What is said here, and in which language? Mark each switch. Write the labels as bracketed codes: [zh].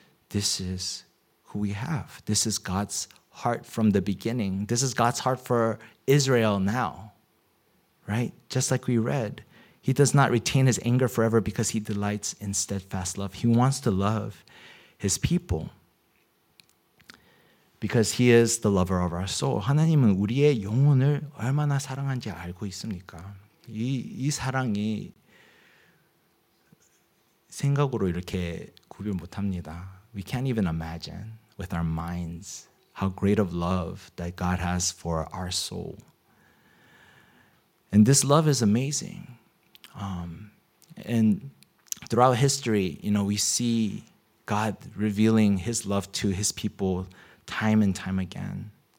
[en] This is who we have. This is God's heart from the beginning. This is God's heart for Israel now, right? Just like we read, he does not retain his anger forever because he delights in steadfast love. He wants to love his people because he is the lover of our soul. [ko] 하나님은 우리의 영혼을 얼마나 사랑한지 알고 있습니까? 이 사랑이 생각으로 이렇게 구별 못합니다. [en] We can't even imagine with our minds how great of love that God has for our soul. And this love is amazing. And throughout history, you know, we see God revealing his love to his people time and time again.